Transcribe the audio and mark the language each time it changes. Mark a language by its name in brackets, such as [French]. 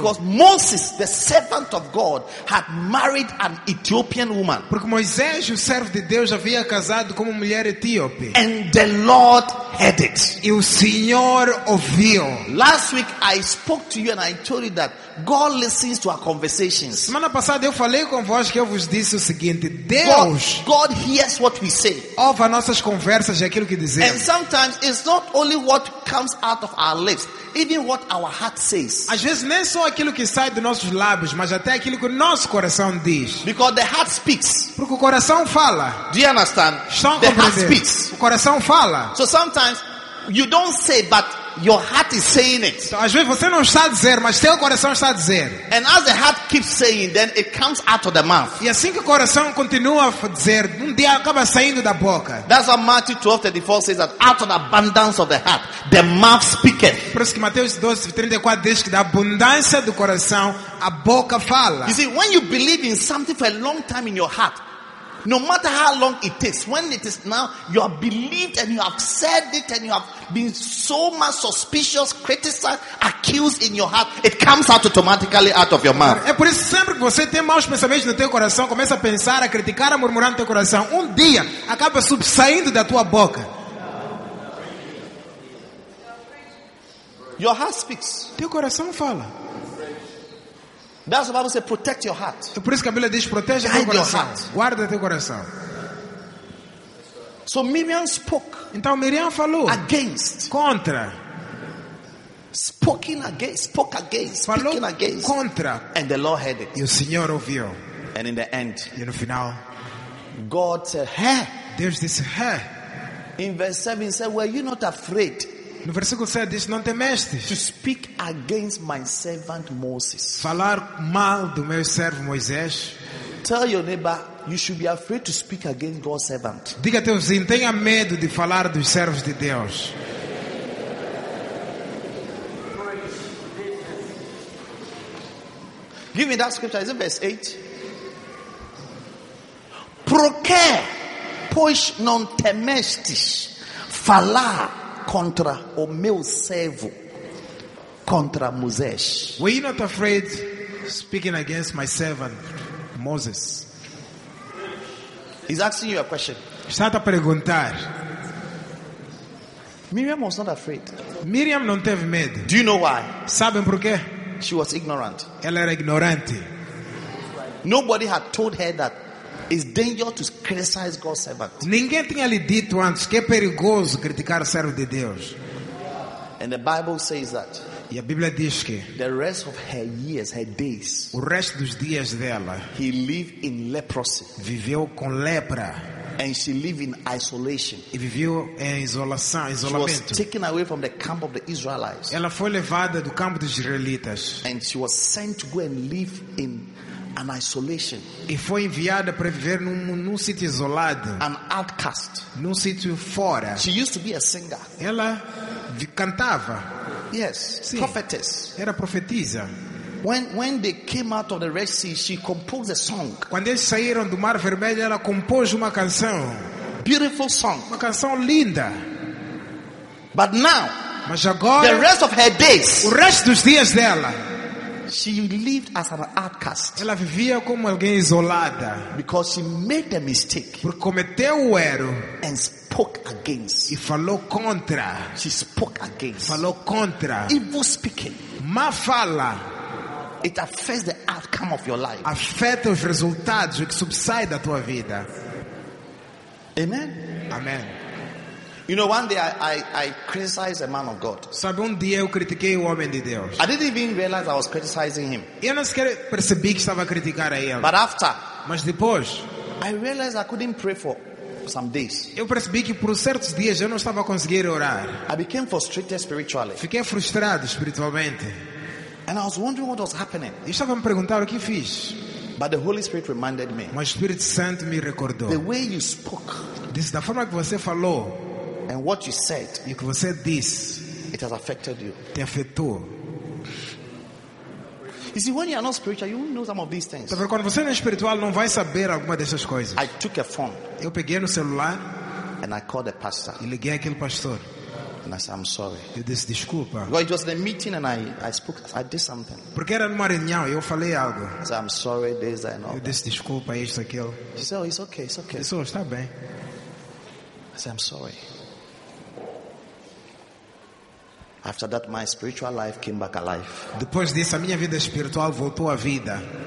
[English] Because Moses the servant of God had married an Ethiopian woman. [Portuguese] Porque Moisés, o servo de Deus, havia casado com uma mulher etíope. [English] And the Lord heard it. [Portuguese] E o Senhor ouviu. [English] Last week I spoke to you and I told you that God listens to our conversations. [Portuguese] Semana passada eu falei com vós que eu vos disse o seguinte: Deus, [English] God hears what we say. [Portuguese] Ouve as nossas conversas e aquilo que dizemos. [English] And sometimes it's not only what comes out of our lips, even what our heart says. [Portuguese] Às vezes nem só aquilo que sai dos nossos lábios, mas até aquilo que o nosso coração diz. [English] Because the heart speaks. [Portuguese] Porque o coração fala. [English] Do you understand? [Portuguese] Estão a compreender? [English] The heart speaks. [Portuguese] O coração fala. [English] So sometimes you don't say, but your heart is saying it. [Portuguese] Então, às vezes você não está a dizer, mas teu coração está a dizer. [English] And as the heart keeps saying, then it comes out of the mouth. [Portuguese] E assim que o coração continua a dizer, dia acaba saindo da boca. [English] That's what Matthew 12:34 says that out of the abundance of the heart, the mouth speaketh. [Portuguese] Por isso que Mateus 12:34 diz que da abundância do coração a boca fala. [English] You see, when you believe in something for a long time in your heart, no matter how long it takes, when it is now, you have believed and you have said it and you have been so much suspicious, criticized, accused in your heart, it comes out automatically out of your mouth. [Portuguese] É por isso que sempre que você tem maus pensamentos no teu coração, começa a pensar, a criticar, a murmurar no teu coração, dia acaba subsaindo da tua boca. [English] Your heart speaks. [Portuguese] Teu coração fala. [English] That's what the Bible says, protect your heart. [Portuguese] É por isso que a Bíblia diz, proteja teu coração. Guarda teu coração. [English] So Miriam spoke. [Portuguese] Então Miriam falou. [English] Against. [Portuguese] Contra. [English] Spoken against. Spoke against. [Portuguese] Falou [English] speaking against. [Portuguese] Contra. [English] And the Lord heard it. [Portuguese] E o Senhor ouviu. [English] And in the end. [Portuguese] E no final. [English] God said, hey. [Portuguese] Deus disse, hey. [English] In verse 7, he said, were you not afraid? [Portuguese] No versículo 7 diz, não temeste. [English] To speak against my servant Moses. [Portuguese] Falar mal do meu servo Moisés. [English] Tell your neighbor, you should be afraid to speak against God's servant. [Portuguese] Diga a teu vizinho, tenha medo de falar dos servos de Deus. [English] Give me that scripture, is it verse 8? [Portuguese] Porque, pois não temestes falar contra o meu servo, contra Moisés. [English] Were you not afraid speaking against my servant Moses? He's asking you a question. [Portuguese] Está a perguntar. [English] Miriam was not afraid. [Portuguese] Miriam não teve medo. [English] Do you know why? [Portuguese] Sabem por quê? [English] She was ignorant. [Portuguese] Ela era ignorante. [English] Nobody had told her that it's dangerous to criticize God's servant. [Portuguese] Ninguém tinha lhe dito antes que é perigoso criticar o servo de Deus. [English] And the Bible says that. [Portuguese] E a Bíblia diz que [English] the rest of her years, her days, [Portuguese] o resto dos dias dela, [English] he lived in leprosy, [Portuguese] viveu com lepra. [English] And she lived in isolation. [Portuguese] E viveu em isolação, isolamento. [English] She was taken away from the camp of the Israelites. [Portuguese] Ela foi levada do campo dos israelitas. [English] And she was sent to go and live in an isolation. [Portuguese] E foi enviada para viver num sítio isolado. [English] An outcast. [Portuguese] Num sítio fora. [English] She used to be a singer. [Portuguese] Ela cantava. [English] Yes. [Portuguese] Sim. [English] Prophetess. [Portuguese] Era profetisa. [English] When they came out of the Red Sea, she composed a song. [Portuguese] Quando eles saíram do Mar Vermelho, ela compôs uma canção. [English] Beautiful song. [Portuguese] Uma canção linda. [English] But now, [Portuguese] mas agora, [English] the rest of her days, [Portuguese] o resto dos dias dela, [English] she lived as an outcast. [Portuguese] Ela vivia como alguém isolada. [English] Because she made a mistake. [Portuguese] Porque cometeu o erro. [English] And spoke against. [Portuguese] E falou contra. [English] She spoke against. [Portuguese] Falou contra. [English] Evil speaking. [Portuguese] Má fala. [English] It affects the outcome of your life. [Portuguese] Afeta os resultados, o que subsai da tua vida. [English] Amen. [Portuguese] Amen. [English] You know, one day I criticized a man of God. [Portuguese] Sabe, dia eu critiquei o homem de Deus. [English] I didn't even realize I was criticizing him. [Portuguese] Eu não sequer percebi que estava a criticar a ele. [English] But after, [Portuguese] mas depois, [English] I realized I couldn't pray for some days. [Portuguese] Eu percebi que por certos dias eu não estava a conseguir orar. [English] I became frustrated spiritually. [Portuguese] Fiquei frustrado espiritualmente. [English] And I was wondering what was happening. [Portuguese] Eu estava a me perguntar o que fiz. [English] But the Holy Spirit reminded me. [Portuguese] Mas o Espírito Santo me recordou. [English] The way you spoke. [Portuguese] Disse, da forma que você falou. [English] And what you said. [Portuguese] E que você disse. [English] It has affected you. [Portuguese] Te afetou. [English] You see, when you are not spiritual, you won't know some of these things. [Portuguese] Sabe, quando você não é espiritual, não vai saber alguma dessas coisas. [English] I took a phone. [Portuguese] Eu peguei no celular. [English] And I called the pastor. [Portuguese] E liguei aquele pastor. [English] And I said, I'm sorry. [Portuguese] Eu disse, desculpa. [English] Well, it was the meeting and I spoke, I did something. [Portuguese] Porque era numa reunião, eu falei algo. [English] I said, I'm sorry, this and all. [Portuguese] Eu disse, desculpa, isso, aquilo. [English] She said, oh, it's okay, it's okay. [Portuguese] Eu disse, oh, está bem. [English] I said, I'm sorry. After that, my spiritual life came back alive. [Portuguese] Depois disso, a minha vida espiritual voltou à vida.